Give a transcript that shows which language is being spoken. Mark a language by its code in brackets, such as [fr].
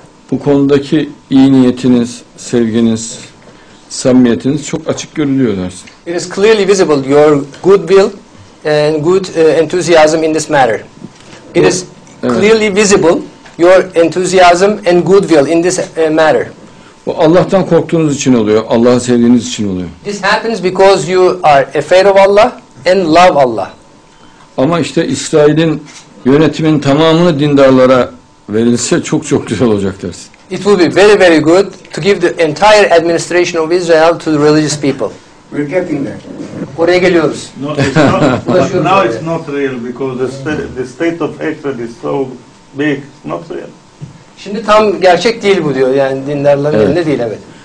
[tr] Bu konudaki iyi niyetiniz, sevginiz, samimiyetiniz çok açık görülüyor dersin. [en] It is clearly visible your goodwill and good enthusiasm in this matter. Clearly visible your enthusiasm and goodwill in this matter. [tr] Bu Allah'tan korktuğunuz için oluyor, Allah'ı sevdiğiniz için oluyor. [en] This happens because you are afraid of Allah and love Allah. [tr] Ama işte İsrail'in yönetimin tamamını dindarlara verilse çok çok güzel olacak dersin. [en] It will be very very good to give the entire administration of Israel to the religious people. We're getting there. [tr] Oraya geliyoruz. [en] Now it's not real because the state of hatred is so big. Not real. [tr] Şimdi tam gerçek değil bu diyor. Yani dindarların elinde değil evet.